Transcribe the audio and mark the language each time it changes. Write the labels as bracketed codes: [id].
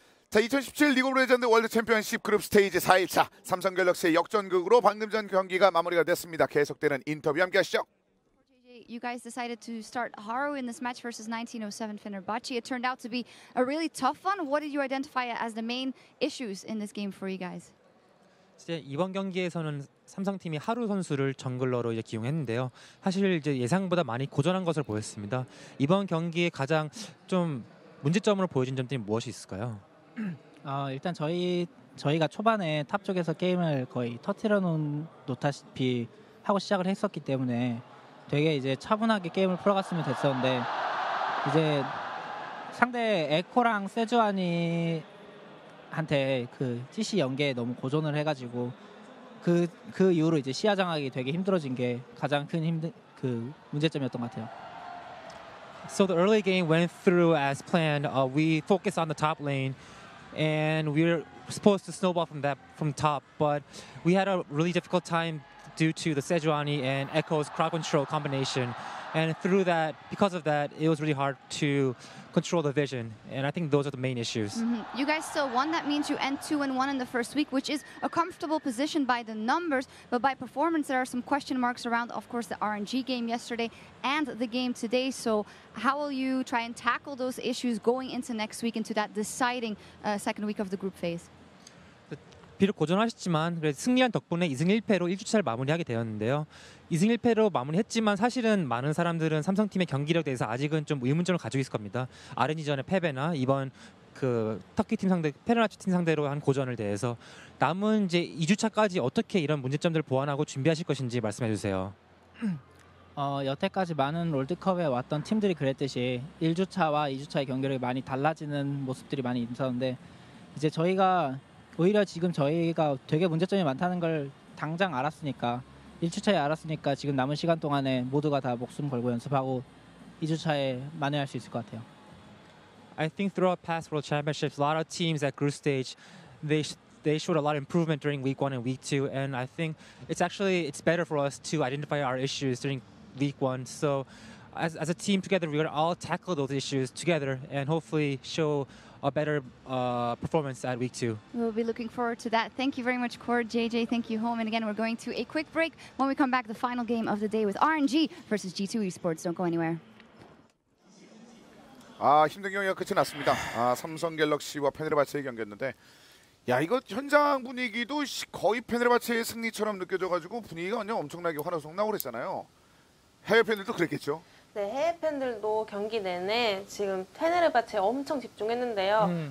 [ko] 자, 2017 리그 오브 레전드 월드 챔피언십 그룹 스테이지 4일차 삼성 갤럭시의 역전극으로 방금 전 경기가 마무리가 됐습니다. 계속되는 인터뷰 함께 하시죠. [en] You guys decided to start Haro in this match versus 1907 Fenerbahce. It turned out to be a really tough one. What did you identify as the main issues in this game for you guys? [ko] 이제 이번 경기에서는 삼성 팀이 하루 선수를 정글러로 이제 기용했는데요. 사실 이제 예상보다 많이 고전한 것을 보였습니다. 이번 경기에 가장 좀 문제점으로 보여진 점들이 무엇이 있을까요? 일단 저희가 초반에 탑 쪽에서 게임을 거의 터트려 놓다시피 하고 시작을 했었기 때문에 되게 이제 차분하게 게임을 풀어갔으면 됐었는데 이제 상대 에코랑 세주아니한테 그 CC 연계에 너무 고전을 해가지고 그 이후로 이제 시야 장악이 되게 힘들어진 게 가장 큰 힘든 그 문제점이었던 것 같아요. [en] So the early game went through as planned. We focused on the top lane, and we were supposed to snowball from top, but we had a really difficult time due to the Sejuani and Echo's crowd control combination. And through that, because of that, it was really hard to control the vision. And I think those are the main issues. Mm-hmm. You guys still won. That means you end 2-1 in the first week, which is a comfortable position by the numbers. But by performance, there are some question marks around, of course, the RNG game yesterday and the game today. So how will you try and tackle those issues going into next week, into that deciding second week of the group phase? [ko] 비록 고전하셨지만 그래도 승리한 덕분에 2승 1패로 1주차를 마무리하게 되었는데요. 2승 1패로 마무리했지만 사실은 많은 사람들은 삼성팀의 경기력에 대해서 아직은 좀 의문점을 가지고 있을 겁니다. RNG전의 패배나 이번 그 터키팀 상대, 페르나츠팀 상대로 한 고전을 대해서 남은 이제 2주차까지 어떻게 이런 문제점들을 보완하고 준비하실 것인지 말씀해 주세요. 여태까지 많은 롤드컵에 왔던 팀들이 그랬듯이 1주차와 2주차의 경기력이 많이 달라지는 모습들이 많이 있었는데 이제 저희가 오히려 지금 저희가 되게 문제점이 많다는 걸 당장 알았으니까 1주차에 알았으니까 지금 남은 시간 동안에 모두가 다 목숨 걸고 연습하고 2주차에 만회할 수 있을 것 같아요. [en] I think throughout past World Championships, a lot of teams at group stage, they showed a lot of improvement during week 1 and week 2, and I think it's better for us to identify our issues during week 1. So as a team together, we're going to all tackle those issues together and hopefully show a better performance at week 2. We'll be looking forward to that. Thank you very much, Cord. JJ, thank you, Home. And again, we're going to a quick break. When we come back, the final game of the day with RNG versus G2 Esports. Don't go anywhere. [ko] 아, 힘든 경기가 끝이 났습니다. 아, 삼성 갤럭시와 페네르바체의 경기였는데 야, 이거 현장 분위기도 거의 페네르바체의 승리처럼 느껴져가지고 분위기가 완전 엄청나게 환호성나고 했잖아요. 해외 팬들도 그랬겠죠? 네, 해외 팬들도 경기 내내 지금 페네르바체 엄청 집중했는데요.